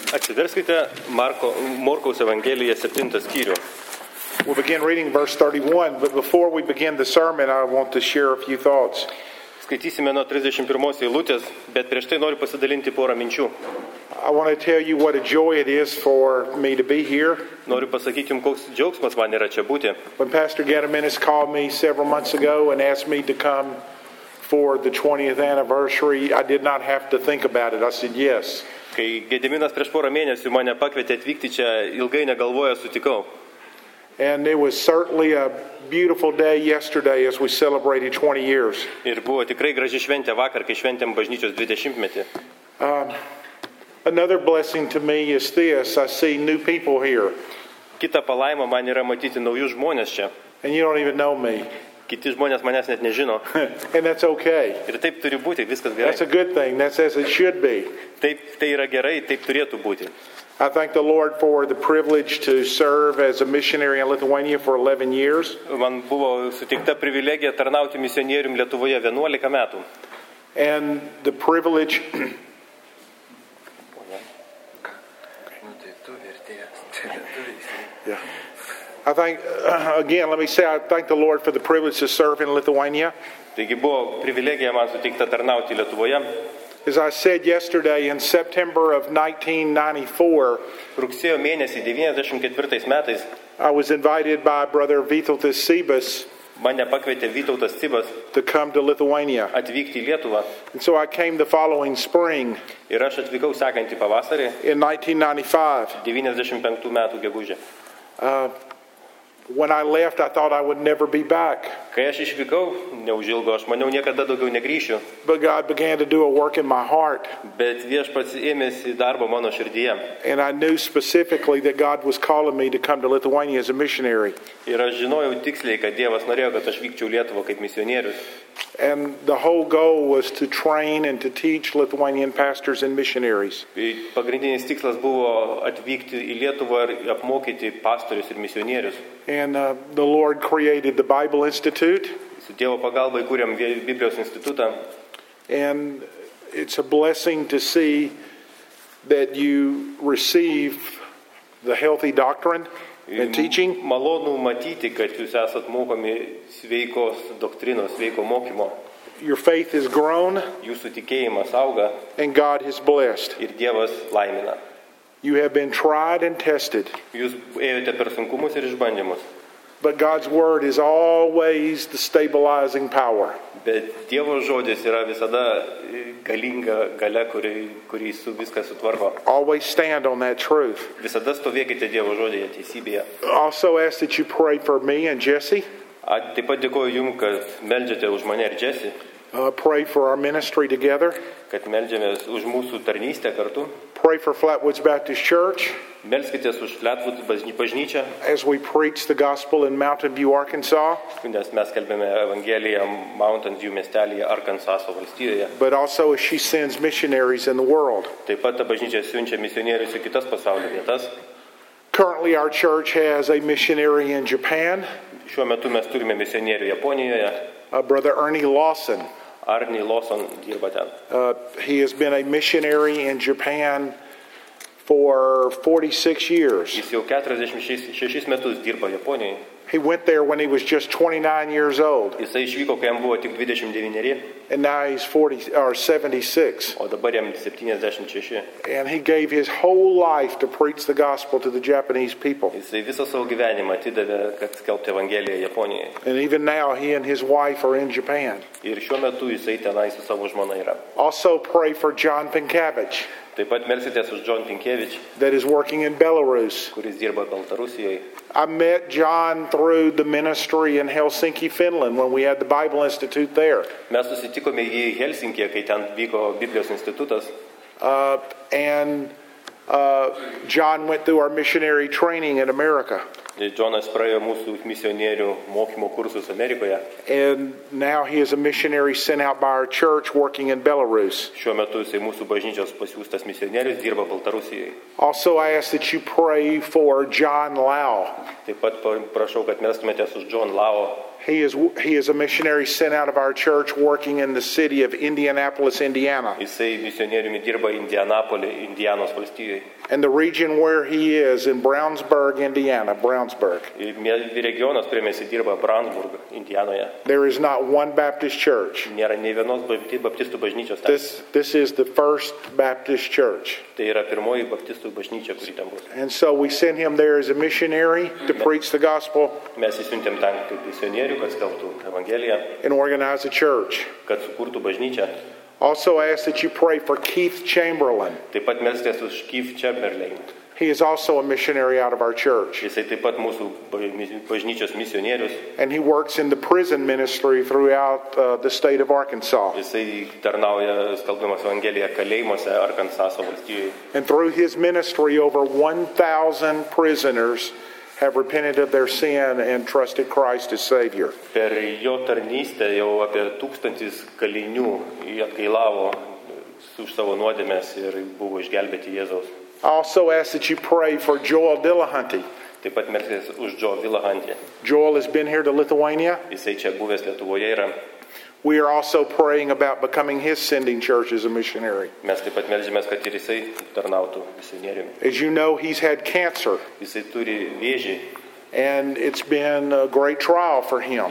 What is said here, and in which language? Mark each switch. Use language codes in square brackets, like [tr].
[lt] Atsiverskite Morkaus Evangeliją 7 skyrių. [en] We'll begin reading verse 31, but before we begin the sermon, I want to share a few thoughts. [lt] Skaitysime nuo 31 eilutės, bet prieš tai noriu pasidalinti porą minčių. [en] I want to tell you what a joy it is for me to be here. [lt] Noriu pasakyti jums, koks džiaugsmas man yra čia būti. [en] When Pastor Gediminas called me several months ago and asked me to come for the 20th anniversary, I did not have to think about it. I said yes. [lt] Kai Gediminas prieš porą mėnesių mane pakvietė atvykti čia, ilgai negalvoja, sutikau. [en] And it was certainly a beautiful day yesterday as we celebrated 20 years. [lt] Ir buvo tikrai graži šventė vakar, kai šventėm bažnyčios 20-metį. [en] Another blessing to me is this, I see new people here. [lt] Kita palaima man yra matyti naujus žmones čia. [en] And you don't even know me. [lt] Kiti žmonės manęs net nežino. [en] And that's okay. [lt] Ir taip turi būti, viskas gerai. [en] That's a good thing, that's as it should be. [lt] Taip, tai yra gerai, taip turėtų būti. [en] I thank the Lord for the privilege to serve as a missionary in Lithuania for 11 years. [lt] Man buvo suteikta privilegija tarnauti misionierium Lietuvoje 11 metų. [en] And the privilege Yeah. I thank the Lord for the privilege to serve in Lithuania. [lt] Taigi buvo privilegija man suteikta tarnauti Lietuvoje. [en] As I said yesterday, in September of 1994, [lt] rugsėjo mėnesį 94 metais, [en] I was invited by Brother Vytautas Sibas, [lt] mane pakvietė Vytautas Sibas, [en] to come to Lithuania, [lt] atvykti į Lietuvą. [en] And so I came the following spring, [lt] ir aš atvykau sekantį pavasarį, [en] in 1995, [lt] 95 metų gegužę. [en] When I left, I thought I would never be back. [lt] Kai aš išvykau, neužilgo, aš maniau, niekada daugiau negrįšiu. [en] But God began to do a work in my heart. [lt] Bet Viešpats ėmėsi darbo mano širdyje. [en] And I knew specifically that God was calling me to come to Lithuania as a missionary. [lt] Ir aš žinojau tiksliai, kad Dievas norėjo, kad aš vykčiau Lietuvą kaip misionierius. [en] And the whole goal was to train and to teach Lithuanian pastors and missionaries. [lt] Pagrindinis tikslas buvo atvykti į Lietuvą ir apmokyti pastorius ir misionierius. [en] And the Lord created the Bible Institute. [lt] Su Dievo pagalba įkūrėm Biblijos institutą. [en] And it's a blessing to see that you receive the healthy doctrine and teaching. [lt] Malonu matyti, kad jūs esat mokomi sveikos doktrinos, sveiko mokymo. [en] Your faith has grown. [lt] Jūsų tikėjimas auga. [en] And God has blessed. [lt] Ir Dievas laimina. [en] You have been tried and tested. [lt] Jūs ėjote per sunkumus ir išbandymus. [en] But God's word is always the stabilizing power. [lt] Bet Dievo žodis yra visada galinga galia, kuri su viską sutvarko. [en] Always stand on that truth. [lt] Visada stovėkite Dievo žodyje, teisybėje. [en] Also ask that you pray for me and Jesse. [lt] Taip pat dėkoju jums, kad meldžiate už mane ir Jesse. [en] Pray for our ministry together. [lt] Kad meldžiamės už mūsų tarnystę kartu. [en] Pray for Flatwoods Baptist Church. [lt] Melskitės už Flatwoods bažnyčią. [en] As we preach the gospel in Mountain View, Arkansas. [lt] Nes mes kalbėme Evangeliją Mountain View miestelėje, Arkansaso valstijoje. [en] But also as she sends missionaries in the world. [lt] Taip pat ta bažnyčia siunčia misionierius į kitas pasaulio vietas. [en] Currently our church has a missionary in Japan. [lt] Šiuo metu mes turime misionierių Japonijoje. [en] Brother Ernie Lawson. [lt] Arnie Lawson dirba ten. [en] He has been a missionary in Japan for 46 years. [lt] Jis jau 46 metus dirba Japonijoje. [en] He went there when he was just 29 years old. [lt] Jisai išvyko, kai jam buvo tik 29. [en] And now he's 76. [lt] O dabar jam 76. [en] And he gave his whole life to preach the gospel to the Japanese people. [lt] Jisai visą savo gyvenimą atidavė, kad skelbti Evangeliją Japonijai. [en] And even now he and his wife are in Japan. [lt] Ir šiuo metu jisai tenai su savo žmona yra. [en] Also pray for John Pinkavich. [lt] Taip pat melsitės už John Pinkavich. [en] That is working in Belarus. [lt] Kuris dirba Baltarusijoje. [en] I met John through the ministry in Helsinki, Finland when we had the Bible Institute there. [lt] Mes susitikome jį Helsinkyje, kai ten vyko Biblijos institutas. [en] John went through our missionary training in America. [lt] Jonas praėjo mūsų misionierių mokymo kursus Amerikoje. [en] And now he is a missionary sent out by our church working in Belarus. [lt] Šiuo metu jis mūsų bažnyčios pasiųstas misionierius dirba Baltarusijoje. [en] Also I ask that you pray for John Lau. [lt] Taip pat prašau, kad melstumėtės už John Lau. [en] He is a missionary sent out of our church working in the city of Indianapolis, Indiana. [lt] Jisai misionieriumi dirba Indianapolyje, Indianos valstijoje. [en] and the region where he is in Brownsburg, Indiana. [lt] Brownsburg. Regionas, kuriame jis dirba, Brownsburg, Indianoje. [en] There is not one Baptist church. [lt] Nėra nei vienos baptistų bažnyčios. [en] This is the first Baptist church. [lt] Tai yra pirmoji baptistų bažnyčia, kuri ten bus. [en] And so we send him there as a missionary to preach the gospel. [lt] Mes išsiuntėm ten kaip misionierių, kad skelbtų evangeliją. [en] And organize a church. [lt] Kad sukurtų bažnyčią. [en] Also ask that you pray for Keith Chamberlain. [lt] Taip pat melskite už Keith Chamberlain. [en] He is also a missionary out of our church. [lt] Jis taip pat mūsų bažnyčios misionierius. [en] And he works in the prison ministry throughout the state of Arkansas. [lt] Jis tarnauja skelbdamas evangeliją kalėjimuose Arkansaso valstijoje. [en] And through his ministry over 1,000 prisoners have repented of their sin and trusted Christ as Savior. [lt] Per jo tarnystę jau apie 1,000 kalinių atgailavo už savo nuodėmes ir buvo išgelbėti Jėzaus. [en] Also ask that you pray for Joel Dillahunty. [lt] Taip pat melskis už Joel Dillahunty. [en] Joel has been here to Lithuania. [lt] Jisai čia buvęs Lietuvoje yra. [en] We are also praying about becoming his sending church as a missionary. [lt] Mes taip pat meldžiamės, kad ir jisai tarnautų misionieriumi. [en] As you know, he's had cancer. [lt] Jisai turi vėžį. [en] And it's been a great trial for him.